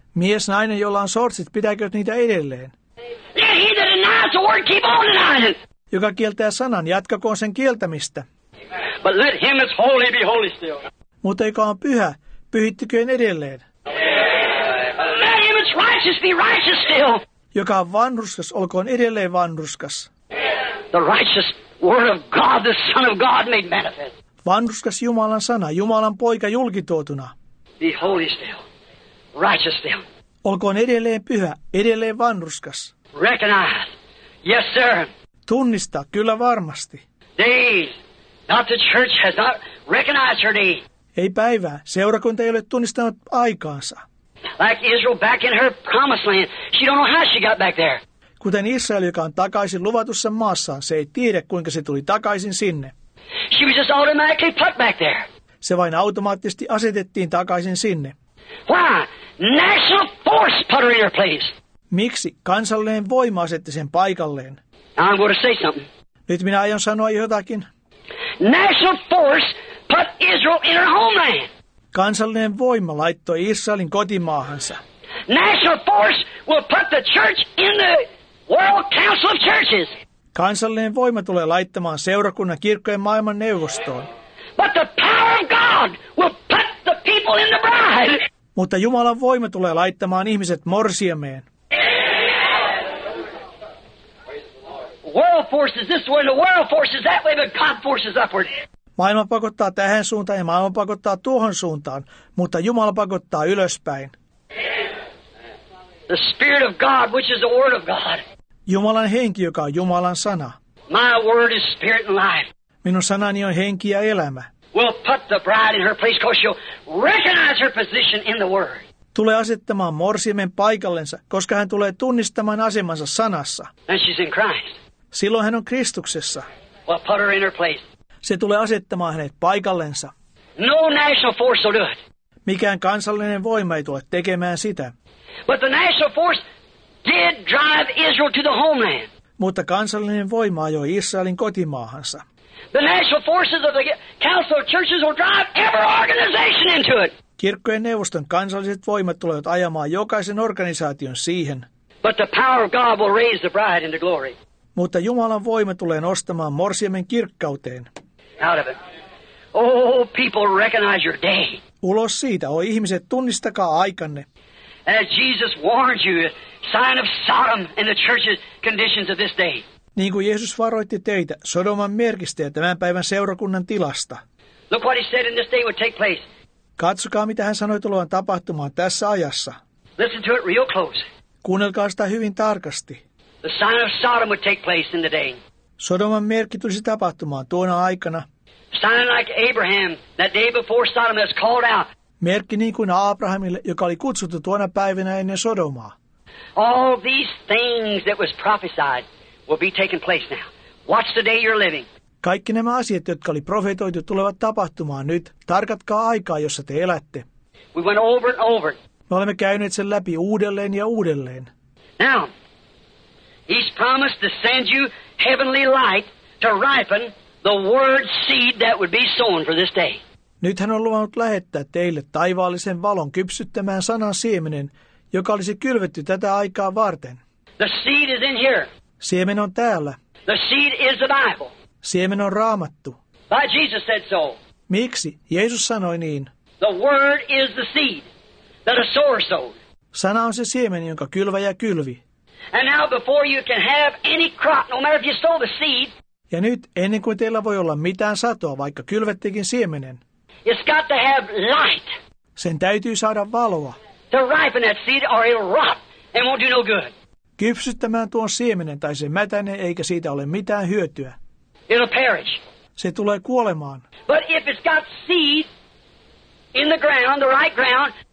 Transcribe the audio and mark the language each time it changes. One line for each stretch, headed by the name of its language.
Finnish: Mies, nainen, jolla on shortsit, pitäkööt niitä edelleen?
English: Yeah, he that denies the word, keep on denying it.
Finnish: Joka kieltää sanan, jatkakoon sen kieltämistä.
English: But let him that's holy be holy still.
Finnish: Mutta joka on pyhä, pyhittyköön edelleen.
English: Yeah. Let him that's righteous be righteous still.
Finnish: Joka on vanhurskas, olkoon edelleen vanhurskas.
English: The righteous word of God, the Son of God made manifest.
Finnish: Vanhurskas Jumalan sana, Jumalan poika julkituotuna.
English: Be holy still, righteous still.
Finnish: Olkoon edelleen pyhä, edelleen vanhurskas.
English: Recognize. Yes, sir.
Finnish: Tunnista, kyllä varmasti.
English: Days. Not the church has not recognized her day.
Finnish: Ei päivää. Seurakunta ei ole tunnistanut aikaansa.
English: Like Israel back in her promised land. She don't know how she got back there.
Finnish: Kuten Israel, joka on takaisin luvatussa maassa, se ei tiedä, kuinka se tuli takaisin sinne.
English: She was just automatically put back there.
Finnish: Se vain automaattisesti asetettiin takaisin sinne.
English: Why? National force put her in her place.
Finnish: Miksi? Kansallinen voima asetti sen paikalleen.
English: I'm going to say something.
Finnish: Nyt minä aion sanoa jotakin.
English: National force put Israel in her homeland.
Finnish: Kansallinen voima laittoi Israelin kotimaahansa.
English: National force will put the church in the World Council of Churches.
Finnish: Kansallinen voima tulee laittamaan seurakunnan kirkkojen maailman neuvostoon.
English: But the power of God will put the people in the bride.
Finnish: Mutta Jumalan voima tulee laittamaan ihmiset morsiameen.
English: World forces this way and the world forces that way, but God forces upward.
Finnish: Maailma pakottaa tähän suuntaan ja maailma pakottaa tuohon suuntaan, mutta Jumala pakottaa ylöspäin.
English: The spirit of God, which is the word of God.
Finnish: Jumalan henki, joka on Jumalan sana.
English: My word is spirit and life.
Finnish: Minun sanani on henki ja elämä.
English: Will put the bride in her place, cause she'll recognize her position in the word.
Finnish: Tulee asettamaan morsiamen paikallensa, koska hän tulee tunnistamaan asemansa sanassa.
English: And she's in Christ.
Finnish: Silloin hän on Kristuksessa.
English: Will put her in her place.
Finnish: Se tulee asettamaan hänet paikallensa.
English: No national force will do it.
Finnish: Mikään kansallinen voima ei tule tekemään sitä.
English: But the national force did drive Israel to the homeland.
Finnish: Mutta kansallinen voima ajoi Israelin kotimaahansa.
English: The national forces of the Council of Churches will drive every organization into it.
Finnish: Kirkkojen neuvoston kansalliset voimat tulevat ajamaan jokaisen organisaation siihen.
English: But the power of God will raise the bride into glory.
Finnish: Mutta Jumalan voima tulee nostamaan morsiamen kirkkauteen.
English: Out of it. Oh, people recognize your day.
Finnish: Ulos siitä, oi ihmiset, tunnistakaa aikanne.
English: As Jesus warned you, sign of Sodom in the church's conditions of this day.
Finnish: Niin kuin Jeesus varoitti teitä Sodoman merkistä ja tämän päivän seurakunnan tilasta.
English: Look what he said in this day would take place.
Finnish: Katsokaa, mitä hän sanoi tulevan tapahtumaan tässä ajassa.
English: Listen to it real close.
Finnish: Kuunnelkaa sitä hyvin tarkasti.
English: The sign of Sodom would take place in the day.
Finnish: Sodoman merkki tulisi tapahtumaan tuona aikana.
English: Sign like Abraham, that day before Sodom has called out.
Finnish: Merkki niin kuin Abrahamille, joka oli kutsuttu tuona päivänä ennen Sodomaa.
English: All these things that was prophesied will be taking place now. Watch the day you're living.
Finnish: Kaikki nämä asiat, jotka oli profetoitu, tulevat tapahtumaan nyt. Tarkatkaa aikaa, jossa te elätte.
English: We went over and over.
Finnish: Me olemme käyneet sen läpi uudelleen ja uudelleen.
English: Now, he's promised to send you heavenly light to ripen the word seed that would be sown for this day.
Finnish: Nyt hän on luvannut lähettää teille taivaallisen valon kypsyttämään sanan siemenen, joka olisi kylvetty tätä aikaa varten.
English: The seed is in here.
Finnish: Siemen on täällä.
English: The seed is the Bible.
Finnish: Siemen on Raamattu.
English: Why Jesus said so.
Finnish: Miksi? Jeesus sanoi niin.
English: The word is the seed that a sower sowed.
Finnish: Sana on se siemen, jonka kylväjä kylvi.
English: And now before you can have any crop, no matter if you sow the seed.
Finnish: Ja nyt, ennen kuin teillä voi olla mitään satoa, vaikka kylvettekin siemenen.
English: It's got to have light.
Finnish: Sen täytyy saada valoa.
English: To ripen that seed or it'll rot and won't do no good.
Finnish: Kypsyttämään tuon siemenen tai sen mätänen, eikä siitä ole mitään hyötyä.
English: It'll perish.
Finnish: Se tulee kuolemaan.
English: But if it's got seed in the ground, the right ground.